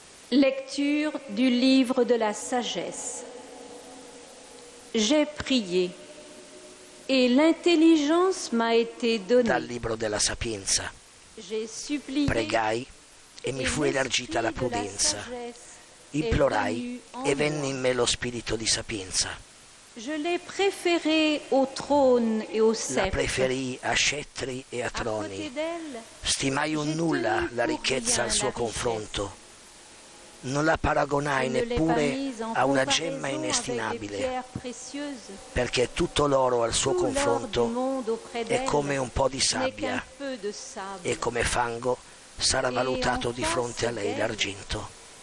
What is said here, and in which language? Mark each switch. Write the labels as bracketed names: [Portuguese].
[French] Lecture du livre de la sagesse. J'ai prié et l'intelligence m'a été donnée. [Italian] Dal libro della Sapienza. [French] J'ai supplié, [Italian] pregai e mi fu elargita la prudenza. Implorai e venne in me lo spirito di sapienza. [French] Je l'ai préféré au trône et au sceptre. [Italian] La preferì a scettri e a troni. Stimai un nulla la ricchezza al suo confronto. Non la paragonai neppure a una gemma inestimabile, perché tutto l'oro al suo confronto è come un po' di sabbia, e come fango sarà valutato di fronte a lei l'argento.